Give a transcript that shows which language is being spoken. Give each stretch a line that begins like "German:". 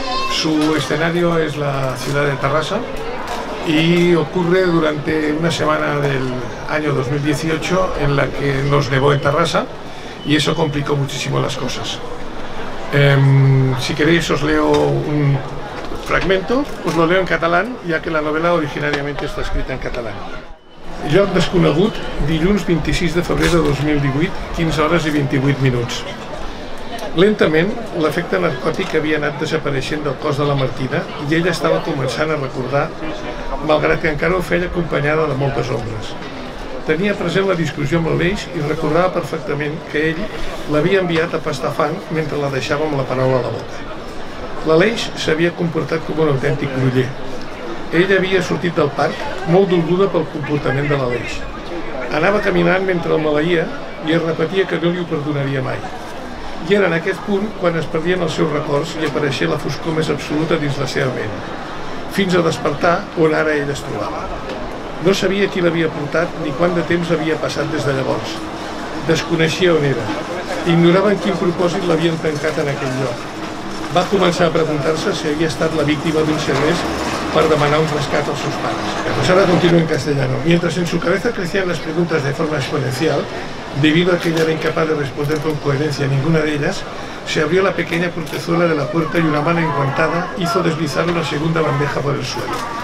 Spanish: Su escenario es la ciudad de Tarrasa y ocurre durante una semana del año 2018 en la que nos nevó en Tarrasa y eso complicó muchísimo las cosas. Si queréis os leo un fragmento, pues lo leo en catalán, ya que la novela originariamente está escrita en catalán.
Catalan: Lloc desconegut, dilluns 26 de febrer de 2018, 15 hores i 28 minuts. Lentament, l'efecte narcòtic havia anat desapareixent del cos de la Martina i ella estava començant a recordar, malgrat que encara ho feia acompanyada de moltes ombres. Tenia present la discussió amb l'Aleix i recordava perfectament que ell l'havia enviat a pastar fang mentre la deixava amb la paraula a la boca. L'Aleix s'havia comportat com un autèntic groller. Ella havia sortit del parc molt dolguda pel comportament de l'Aleix. Anava caminant mentre el maleïa i es repetia que no li ho perdonaria mai. I era en aquest punt quan es perdien els seus records i apareixia la foscor més absoluta dins la seva ment, fins a despertar on ara ell es trobava. No sabia qui l'havia portat ni quant de temps havia passat des de llavors. Desconeixia on era. Ignorava en quin propòsit l'havien tancat en aquell lloc. Va començar a preguntar-se si havia estat la víctima d'un segrest per demanar un rescat als seus pares.
Spanish: Pues ahora continúa en castellano. Mientras en su cabeza crecían las preguntas de forma exponencial, debido a que ella era incapaz de responder con coherencia a ninguna de ellas, se abrió la pequeña portezuela de la puerta y una mano enguantada hizo deslizar una segunda bandeja por el suelo.